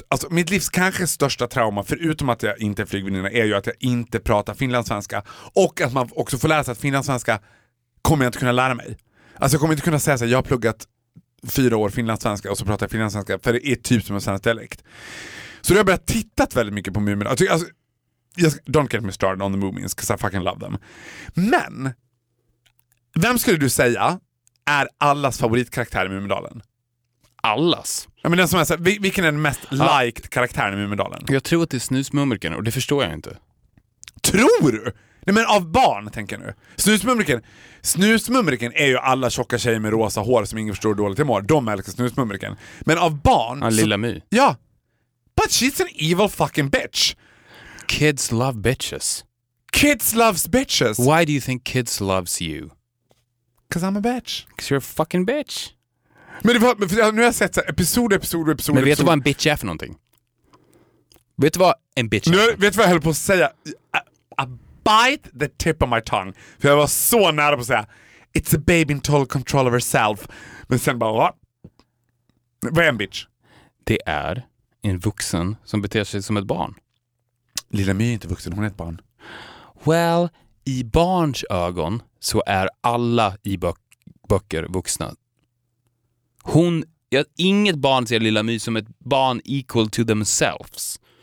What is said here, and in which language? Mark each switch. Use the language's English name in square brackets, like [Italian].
[Swedish] Mitt livs kanske största trauma, förutom att jag inte är flygvinnina, är ju att jag inte pratar finlandssvenska. Och att man också får lära sig att finlandssvenska kommer jag inte kunna lära mig. Alltså jag kommer inte kunna säga så här, jag har pluggat 4 år finlandssvenska och så pratar jag finlandssvenska, för det är typ som en svensk dialekt. Så då har jag börjat titta väldigt mycket på Moomin. [English] Don't get me started on the Moomins, because I fucking love them. [Swedish] Men vem skulle du säga är allas favoritkaraktär i Moomindalen? Allas. Ja, men den som är så här, vilken är den mest liked karaktären i Mumindalen? Jag tror att det är Snusmumriken, och det förstår jag inte. Tror du? Nej, men av barn, tänker jag nu. Snusmumriken är ju alla tjocka tjejer med rosa hår som ingen förstår dåligt imorgon. De älskar Snusmumriken. Men av barn... Ja, Lilla My. Ja. [English] But she's an evil fucking bitch. Kids love bitches. Kids loves bitches. Why do you think kids loves you? Because I'm a bitch. Because you're a fucking bitch. [Swedish] Men det var, nu har jag sett så här, episod. Men vet du vad en bitch är för någonting? Vet du vad en bitch är? Nu, vet du vad jag höll på att säga? I bite the tip of my tongue. För jag var så nära på att säga [English] It's a babe in total control of herself. [Swedish] Men sen bara, what? Vad är en bitch? Det är en vuxen som beter sig som ett barn. Lilla My är inte vuxen, hon är ett barn. Well, i barns ögon så är alla i böcker vuxna. Hon, inget barn ser Lilla My som ett barn equal to themselves.